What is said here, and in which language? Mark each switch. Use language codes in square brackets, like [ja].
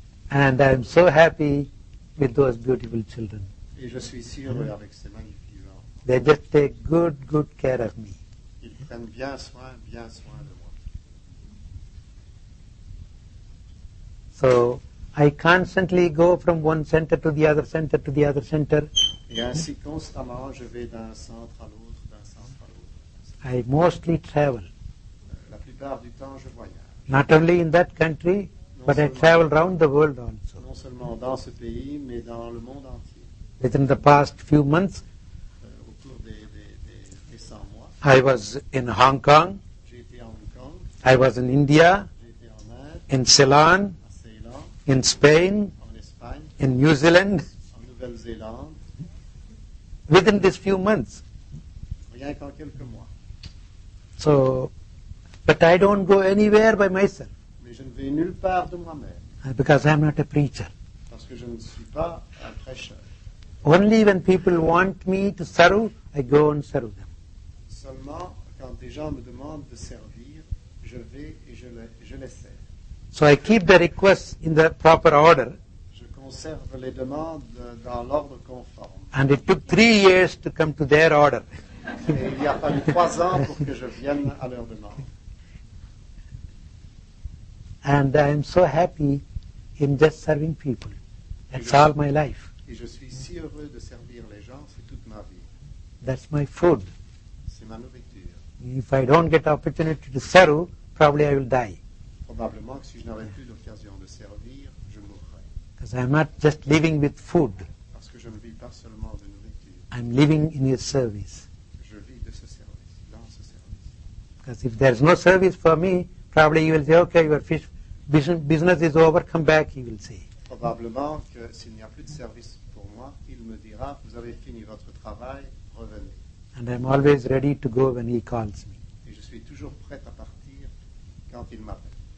[en] And I'm so happy with those beautiful children. [fr] Et je suis si heureux avec ces magnifiques [en] enfants. They just take good care of me. [fr] Ils prennent bien soin de moi. [en] So, I constantly go from one center to the other center to the other center. [fr] Et ainsi constamment, je vais d'un centre à l'autre, d'un centre à l'autre. [en] I mostly travel. [fr] La plupart du temps, je voyage. [en] Not only in that country, but I travel around the world also. [fr] Non seulement dans ce pays, mais dans le monde entier. [en] Within the past few months, [fr] au cours des cent mois, [en] I was in Hong Kong. [fr] J'étais à Hong Kong. [en] I was in India. [fr] J'étais en Inde. [en] In Ceylon. [fr] À Ceylon. [en] In Spain. [fr] En Espagne. [en] In New Zealand. [fr] En Nouvelle-Zélande. [en] Within these few months. [fr] Rien qu'en quelques mois. [en] So, but I don't go anywhere by myself. [fr] Je ne vais nulle part de moi-même. [en] Because I'm not a preacher. [fr] Parce que je ne suis pas un prêcheur. [en] Only when people want me to serve, I go and serve them. [fr] Seulement quand des gens me demandent de servir, je vais et je les sers. [en] So I keep the requests in the proper order. [fr] Je conserve les demandes dans l'ordre conforme. [en] And it took 3 years to come to their order. [fr] Et il y a fallu 3 ans pour que je vienne à leur demande. [en] And I am so happy in just serving people. That's all my life. [fr] Et je suis si heureux de servir les gens, c'est toute ma vie. [en] That's my food. [fr] C'est ma nourriture. [en] If I don't get opportunity to serve, probably I will die. [fr] Probablement que si je n'aurais plus l'occasion de servir, je mourrai. [en] Because I'm not just living with food. [fr] Parce que je ne vis pas seulement de nourriture. [en] I'm living in your service. [fr] Je vis de ce service, dans ce service. [en] Because if there's no service for me, probably you will say, okay, your fish business is over, come back, he will say. [fr] Probablement que s'il n'y a plus de service pour moi, il me dira, vous avez fini votre travail, revenez. [en] And I'm always ready to go when he calls me. [fr] Et je suis toujours prêt à partir quand il m'appelle.